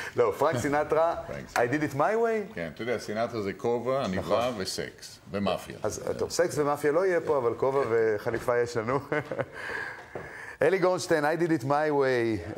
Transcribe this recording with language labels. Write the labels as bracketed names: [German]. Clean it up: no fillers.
[English] לא, פרנק סינטרה, I did it my way. [Hebrew] כן, אתה יודע, סינטרה זה כובע, עניבה וסקס, ומאפיה. אז טוב, סקס ומאפיה לא יהיה פה, אבל כובע וחליפה יש לנו. אלי גורנשטיין, [English] I did it my way.